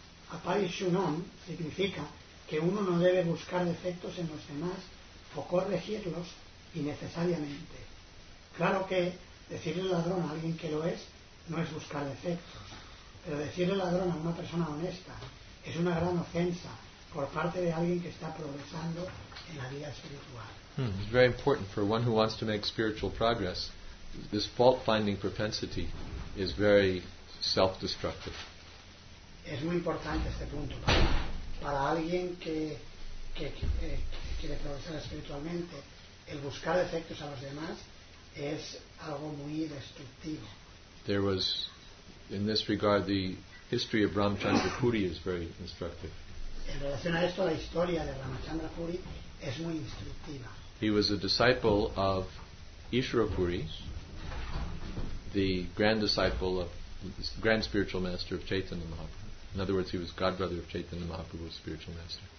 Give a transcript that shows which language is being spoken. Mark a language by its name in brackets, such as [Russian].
[Spanish] Apaishunam significa que uno no debe buscar defectos en los demás o corregirlos innecesariamente. Claro que decirle ladrón a alguien que lo es no es buscar defectos, pero decirle ladrón a una persona honesta es una gran ofensa por parte de alguien que está progresando en la vida espiritual. [English] It's very important for one who wants to make spiritual progress. This fault-finding propensity is very self-destructive. [Spanish] Es muy importante este punto para alguien que quiere progresar espiritualmente. El buscar defectos a los demás es algo muy destructivo. [English] There was, in this regard, the history of Ramchandra Puri is very instructive. [Spanish] En relación a esto, la historia de Ramchandra Puri es muy instructiva. [English] He was a disciple of Ishvara Puri, the grand disciple of grand spiritual master of Chaitanya Mahaprabhu. In other words, he was godbrother of Chaitanya Mahaprabhu's spiritual master.